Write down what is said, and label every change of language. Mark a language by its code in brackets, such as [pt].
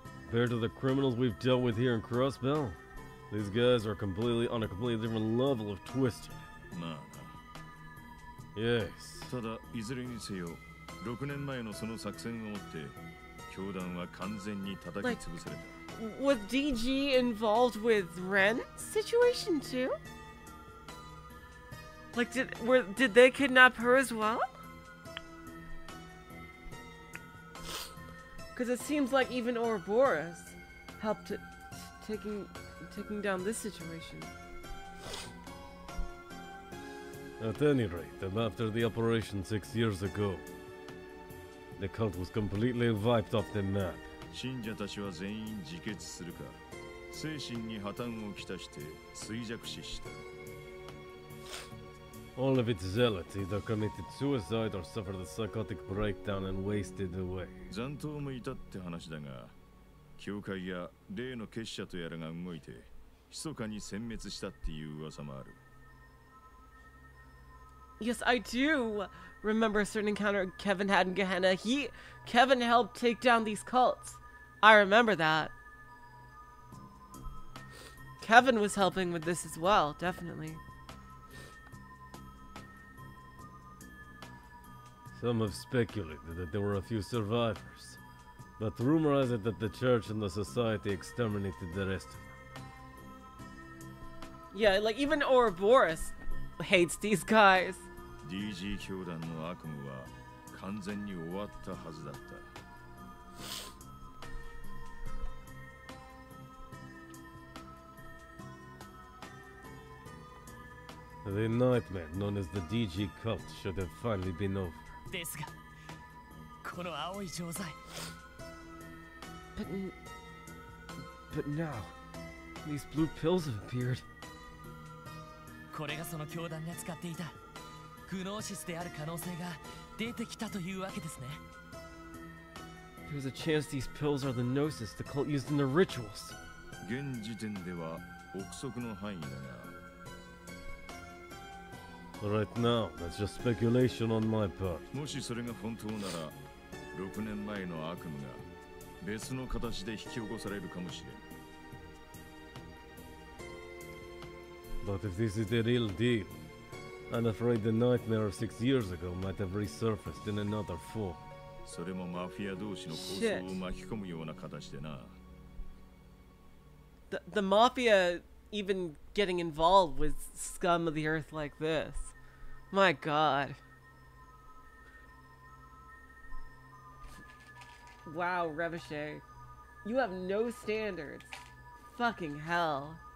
[en] Compared to the criminals we've dealt with here in Crossbell, these guys are completely on a completely different level of twisted. [ja] まあ。 [en] Yes. [ja] ただいずれにせよ 6年前のその作戦をもって教団は完全に叩き潰された。 [en] Was DG involved with Ren's situation too? Like, did they kidnap her as well? Because it seems like even Ouroboros helped taking down this situation. At any rate, after the operation 6 years ago, the cult was completely wiped off the map. [ja] 信者たちは全員自決するか、精神に破綻をきたして衰弱死した。 [en] All of its zealots either committed suicide or suffered a psychotic breakdown and wasted away. [ja] 残党もいたって話だが、教会や例の結社とやらが動いて、密かに殲滅したっていう噂もある。 [en] Yes, I do remember a certain encounter Kevin had in Gehenna. Kevin helped take down these cults. I remember that. Kevin was helping with this as well, definitely. Some have speculated that there were a few survivors, but rumor has it that the church and the society exterminated the rest of them. Yeah, like even Ouroboros hates these guys. [ja] DG 教団の悪夢は完全に終わったはずだった。 [en] The nightmare known as the DG cult should have finally been over. [ja] ですが、この青い錠剤。 [en] But now, these blue pills have appeared. [ja] これがその教団が使っていたグノーシスである可能性が出てきたというわけですね。 [en] There's a chance these pills are the gnosis the cult used in the rituals. [ja] 現時点では憶測の範囲だが。 [en] Right now, that's just speculation on my part. [ja] もしそれが本当なら、6年前の悪夢が別の形で引き起こされるかもしれん。 [en] But if this is the real deal, I'm afraid the nightmare of 6 years ago might have resurfaced in another form. [ja] それもマフィア同士の構想を巻き込むような形でな。 [en] The mafia... Even getting involved with scum of the earth like this. My god. Wow, Revache. You have no standards. Fucking hell.